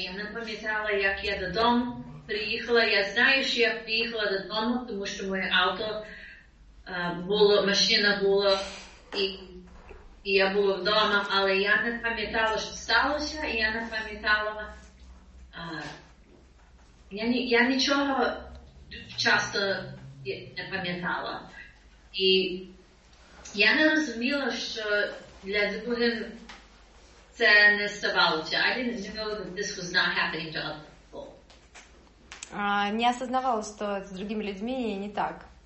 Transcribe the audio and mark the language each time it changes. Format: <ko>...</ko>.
<uk>Я не пам'ятала, як я додому приїхала. Я знаю, що я приїхала додому, тому що моє авто було, машина була, і я була вдома, але я не пам'ятала, що сталося, і я не пам'ятала. Я нічого часто не пам'ятала. І я не розуміла, що для другим це не ставалося.</uk> <en>I didn't know that this was not happening to other people.</en> <uk>Не осознавала, що з другими людьми не так.</uk>